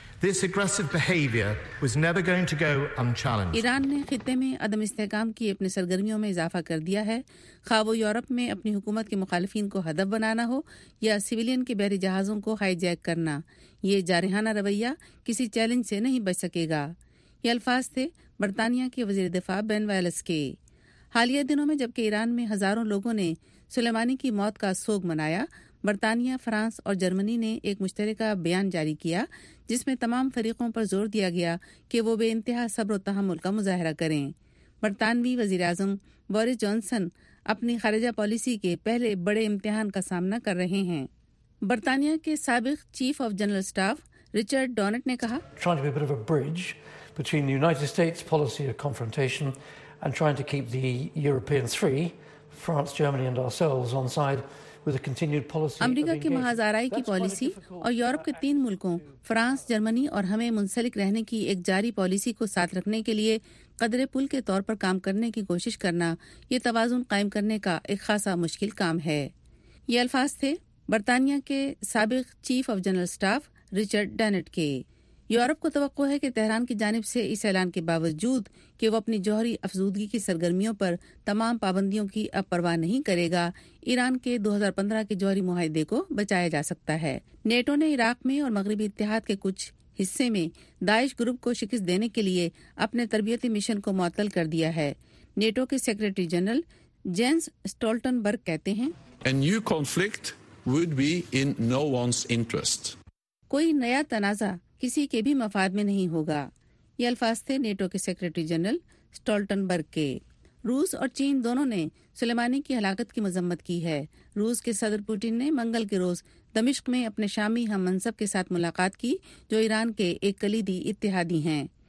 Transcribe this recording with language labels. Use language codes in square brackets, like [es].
[en] This aggressive behavior was never going to go unchallenged. [ur] Iran نے خطے میں عدم استحکام کی اپنی سرگرمیوں میں اضافہ کر دیا ہے, خواہ وہ یورپ میں اپنی حکومت کے مخالفین کو ہدف بنانا ہو یا سویلین کے بحری جہازوں کو ہائی جیک کرنا. یہ جارحانہ رویہ کسی چیلنج سے نہیں بچ سکے گا. یہ الفاظ تھے برطانیہ کے وزیر دفاع بین ویلس کے. حالیہ دنوں میں جبکہ ایران میں ہزاروں لوگوں نے سلیمانی کی موت کا سوگ منایا, برطانیہ, فرانس اور جرمنی نے ایک مشترکہ بیان جاری کیا جس میں تمام فریقوں پر زور دیا گیا کہ وہ بے انتہا صبر و تحمل کا مظاہرہ کریں. برطانوی وزیر اعظم بوریس جانسن اپنی خارجہ پالیسی کے پہلے بڑے امتحان کا سامنا کر رہے ہیں. برطانیہ کے سابق chief of general staff Richard don't نے کہا, [en] between the United States policy of confrontation and trying to keep the Europeans free, France, Germany and ourselves on side with a continued policy. [ur] امریکہ کی محاذ آرائی کی پالیسی اور Europe کے تین ملکوں France, Germany اور ہمیں منسلک رہنے کی ایک جاری پالیسی کو ساتھ رکھنے کے لیے قدرے پل کے طور پر کام کرنے کی کوشش کرنا, یہ توازن قائم کرنے کا ایک خاصا مشکل کام ہے. یہ الفاظ تھے برطانیہ کے سابق chief of general staff Richard dent کے. یورپ کو توقع ہے کہ تہران کی جانب سے اس اعلان کے باوجود کہ وہ اپنی جوہری افزودگی کی سرگرمیوں پر تمام پابندیوں کی اب پرواہ نہیں کرے گا, ایران کے 2015 کے جوہری معاہدے کو بچایا جا سکتا ہے. نیٹو نے عراق میں اور مغربی اتحاد کے کچھ حصے میں داعش گروپ کو شکست دینے کے لیے اپنے تربیتی مشن کو معطل کر دیا ہے. نیٹو کے سیکرٹری جنرل جینس سٹولٹن برگ کہتے ہیں, [en] A new conflict would be in no one's interest. [ur] کوئی نیا تنازع کسی کے بھی مفاد میں نہیں ہوگا. یہ الفاظ تھے نیٹو کے سیکرٹری جنرل سٹولٹن برگ کے. روس اور چین دونوں نے سلیمانی کی ہلاکت کی مذمت کی ہے. روس کے صدر پوٹن نے منگل کے روز دمشق میں اپنے شامی ہم منصب کے ساتھ ملاقات کی جو ایران کے ایک کلیدی اتحادی ہیں.